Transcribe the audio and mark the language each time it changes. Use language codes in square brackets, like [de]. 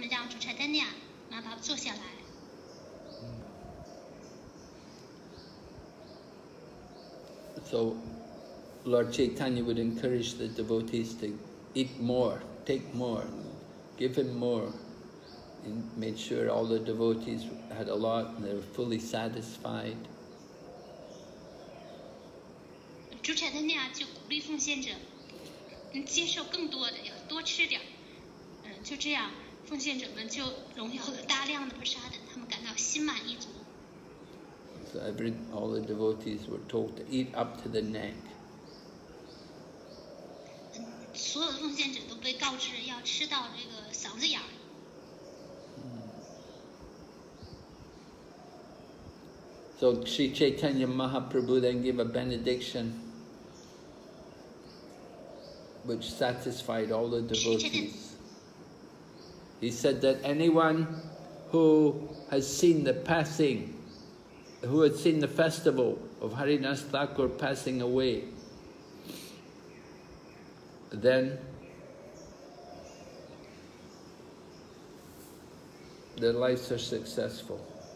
[zh] 奉献者开始派布沙的主柴丹尼亚也想派布沙的但是奉献者们就告诉他不您应该坐下来除非您第一个坐下来荣耀的话其余的奉献者都不肯坐下来荣耀所以就这样他们让主柴丹尼亚妈妈坐下来 [en] So Lord Chaitanya would encourage the devotees to eat more, take more, give him more, and made sure all the devotees had a lot and they were fully satisfied. [zh] 主柴丹尼亚就鼓励奉献者接受更多的要多吃点就这样奉献者们就荣耀了大量的布沙的他们感到心满意足 [en] So all the devotees were told to eat up to the neck [zh] 所有的奉献者都被告知要吃到这个嗓子眼儿。 [en] So Sri Chaitanya Mahaprabhu then gave a benediction which satisfied all the devotees. He said that anyone who has seen the passing, who has seen the festival of Harinath Thakur passing away, then their lives are successful.